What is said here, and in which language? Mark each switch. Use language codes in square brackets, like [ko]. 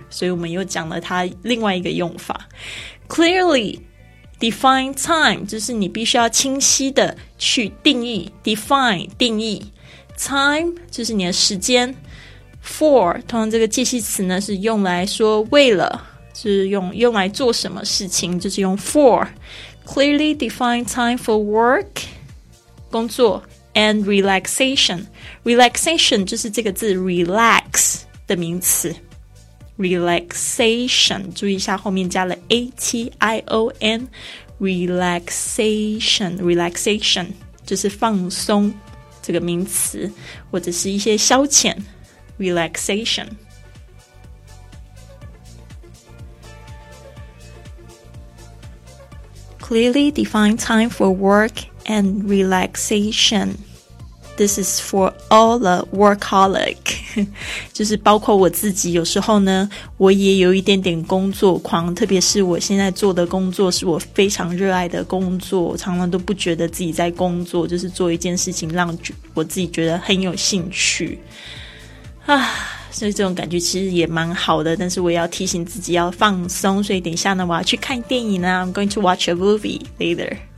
[zh] 所以我们又讲了它另外一个用法。 [en] Clearly define time [zh] 就是你必须要清晰的去定义， define 定义， time 就是你的时间， for 通常这个介系词呢是用来说为了，是 用来做什么事情，就是用 for。 [en] Clearly define time for work [zh] 工作 [en] and relaxation， relaxation [zh] 就是这个字 [en] relax [zh] 的名词， relaxation， 注意一下后面加了 ation， relaxation， relaxation 就是放松这个名词，或者是一些消遣 relaxation。 [en] Clearly define time for work and relaxation. This is for all the workaholic. [zh] 就是包括我自己，有时候呢，我也有一点点工作狂，特别是我现在做的工作是我非常热爱的工作，我常常都不觉得自己在工作，就是做一件事情让我自己觉得很有兴趣。啊，所以这种感觉其实也蛮好的，但是我也要提醒自己要放松，所以等一下呢我要去看电影啊， [en] I'm going to watch a movie later。